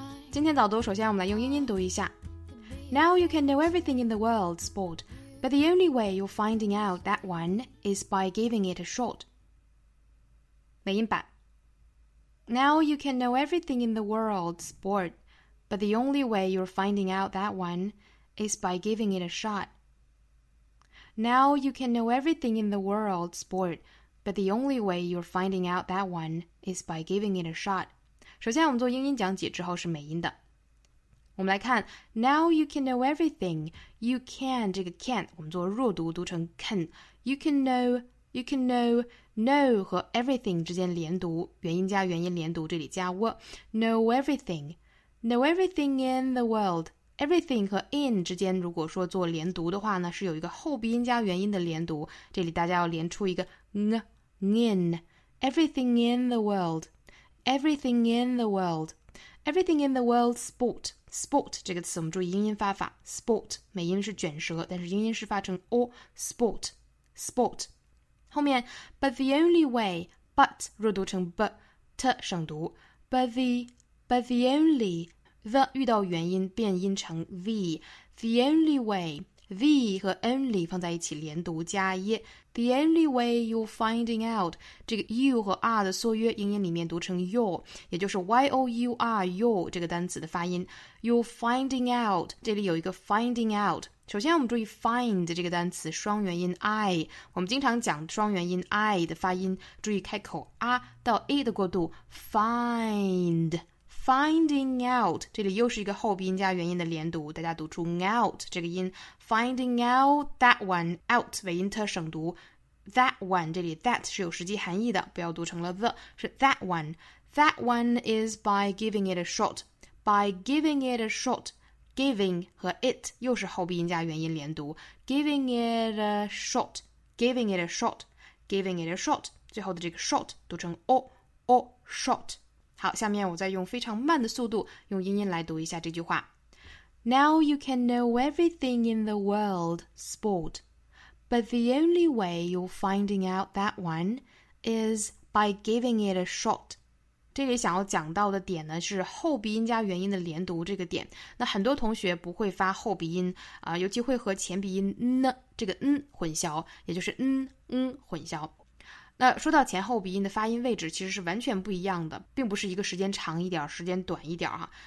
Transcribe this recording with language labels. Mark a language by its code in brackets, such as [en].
[zh] 今天早读首先我们来用英音读一下。 [en] Now you can know everything in the world, sport, but the only way you're finding out that one is by giving it a shot. [zh] 美音版。 [en] Now you can know everything in the world, sport,But the only way you're finding out that one is by giving it a shot. Now you can know everything in the world, sport, but the only way you're finding out that one is by giving it a shot. [zh] 首先我们做英音讲解之后是美音的。我们来看 [en] Now you can know everything. [zh] You can, 这个 can, 我们做弱读读成 can. [en] You can know, [zh] know 和 everything 之间连读元音加元音连读这里加 what? [en] Know everythingKnow everything in the world. [zh] Everything 和 in 之间如果说做连读的话呢是有一个后鼻音加元音的连读。这里大家要连出一个 ng, in. [en] Everything in the world. Everything in the world. Everything in the world sport. [zh] Sport 这个词我们注意英音发法。Sport, 美音是卷舌但是英音是发成 o, sport. [en] Sport. [zh] 后面 [en] but the only way, [zh] but, 若读成 b, t, 省读。 But the only, the 遇到元音变音成 the only way, the 和 only 放在一起连读加 ye, [en] the only way you're finding out, [zh] 这个 you 和 are 的缩约英音里面读成 your, 也就是 your, your 这个单词的发音 [en] you're finding out, [zh] 这里有一个 finding out, 首先我们注意 find 这个单词双元音 I, 我们经常讲双元音 I 的发音注意开口 a 到 e 的过渡 findFinding out, 这里又是一个后鼻音加元音的连读，大家读出 out 这个音。 [en] Finding out that one, [zh] out 尾音特省读 that one, 这里 that 是有实际含义的，不要读成了 the, 是 that one. [en] That one is by giving it a shot. By giving it a shot, giving 和 it [zh] 又是后鼻音加元音连读 [en] giving it a shot, giving it a shot, giving it a shot. [zh] 最后的这个 shot 读成 o, o shot. 好，下面我再用非常慢的速度用英音来读一下这句话。 [en] Now you can know everything in the world, sport. But the only way you're finding out that one is by giving it a shot. [zh] 这里想要讲到的点呢是后鼻音加元音的连读这个点。那很多同学不会发后鼻音，尤其会和前鼻音 n 这个 n 混淆，也就是 n 嗯混淆。那说到前后鼻音的发音位置其实是完全不一样的，并不是一个时间长一点时间短一点啊。